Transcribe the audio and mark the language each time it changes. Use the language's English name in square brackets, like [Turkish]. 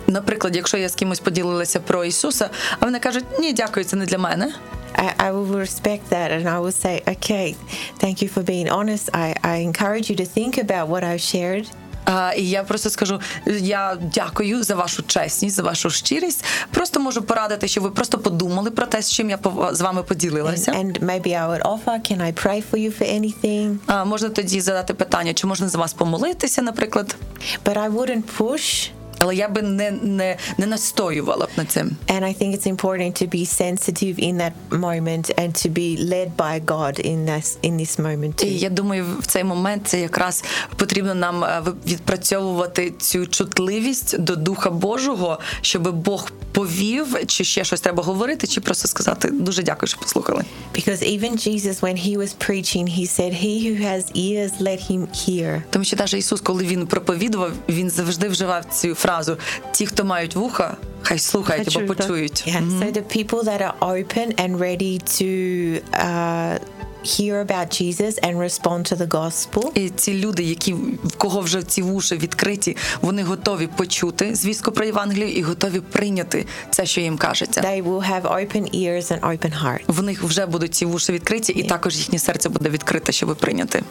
[Ukrainian] Наприклад, якщо я з кимось поділилася про Ісуса, а вони кажуть: "Ні, дякую, це не для мене." [English] I will respect that and I will say, "Okay, thank you for being honest. I encourage you to think about what I've shared." [Ukrainian] І я просто скажу, я дякую за вашу чесність, за вашу щирість. Просто можу порадити, щоб ви просто подумали про те, з чим я з вами поділилася. [English] And maybe I would offer, can I pray for you for anything? [Ukrainian] Можна тоді задати питання, чи можна за вас помолитися, наприклад? [English] But I wouldn't push. [Ukrainian] Але я би не настоювала б на цим. [English] And I think it's important to be sensitive in that moment and to be led by God in this moment. [Ukrainian] І я думаю, в цей момент це якраз потрібно нам відпрацьовувати цю чутливість до Духа Божого, щоб Бог повів, чи ще щось треба говорити, чи просто сказати: "Дуже дякую, що послухали." [English] Because even Jesus when he was preaching, he said, "He who has ears, let him hear." [Ukrainian] Тому що навіть Ісус, коли він проповідував, він завжди вживав цю фразу: "Ті, хто мають вуха, хай слухають або почують." Yeah. Mm-hmm. [English] So the people that are open and ready to hear about Jesus and respond to the gospel. [Ukrainian] І ці люди, які в кого вже ці вуші відкриті, вони готові почути звістку про Євангелію і готові прийняти це, що їм кажеться. [English] They will have open ears and open heart. [Ukrainian] В них вже будуть ці вуші відкриті, і також їхнє серце буде відкрите, щоб прийняти.